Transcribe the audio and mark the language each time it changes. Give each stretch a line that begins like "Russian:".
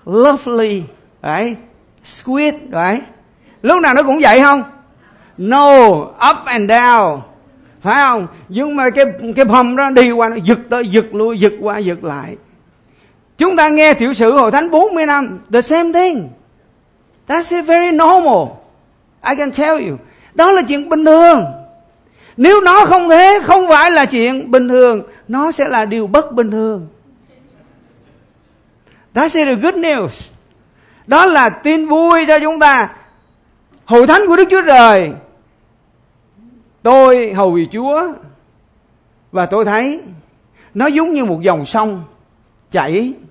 English: Lovely, right? Sweet, right?
Vietnamese: Lúc nào nó cũng vậy không?
English: No, up and down.
Vietnamese: Phải không? Nhưng mà cái bầm đó đi qua nó giật tới giật lui, giật qua giật lại. Chúng ta nghe tiểu sử hội thánh 40 năm,
English: the same thing. That's very normal. I can tell you.
Vietnamese: Đó là chuyện bình thường. Nếu nó không thế, không phải là chuyện bình thường, nó sẽ là điều bất bình thường.
English: That's the good news.
Vietnamese: Đó là tin vui cho chúng ta. Hội thánh của Đức Chúa Trời, tôi hầu vì Chúa, và tôi thấy nó giống như một dòng sông chảy.